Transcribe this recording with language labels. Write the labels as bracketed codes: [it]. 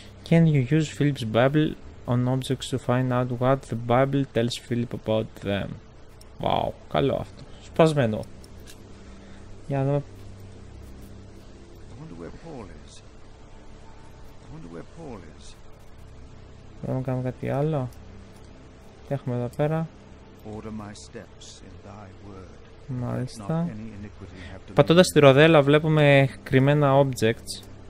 [en] Can you use Philip's Bible on objects to find out what the Bible tells Philip about them? [el] Wow, καλό αυτό. Σπασμένο. Για να... [en] I wonder where Paul is. I wonder where Paul is. [el] Πρέπει να κάνουμε κάτι άλλο. Τι έχουμε εδώ πέρα. [en] Order my steps in thy word. [el] Μάλιστα. Πατώντας τη ροδέλα βλέπουμε κρυμμένα objects.